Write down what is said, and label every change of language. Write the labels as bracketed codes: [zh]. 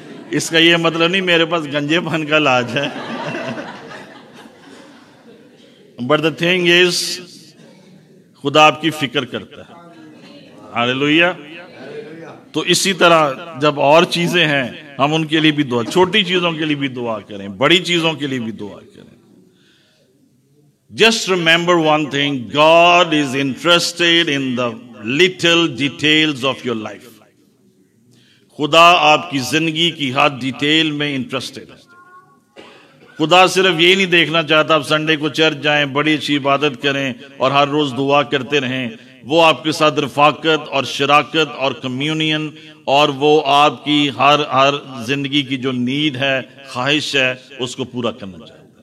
[ur] اس کا یہ مطلب نہیں میرے پاس گنجے پن کا علاج ہے, [en] but the thing is [ur] خدا آپ کی فکر کرتا ہے. [en] Hallelujah. [ur] تو اسی طرح جب اور چیزیں ہیں ہم ان کے لیے بھی دعا, چھوٹی چیزوں کے لیے بھی دعا کریں, بڑی چیزوں کے لیے بھی دعا کریں. [en] Just remember one thing, God is interested in the little details of your life. [ur] خدا آپ کی زندگی کی ہر ڈیٹیل میں انٹرسٹیڈ ہے. خدا صرف یہ نہیں دیکھنا چاہتا آپ سنڈے کو چرچ جائیں, بڑی اچھی عبادت کریں اور ہر روز دعا کرتے رہیں. وہ آپ کے ساتھ رفاقت اور شراکت اور کمیونین, اور وہ آپ کی ہر زندگی کی جو نیڈ ہے, خواہش ہے, اس کو پورا کرنا چاہتا ہے.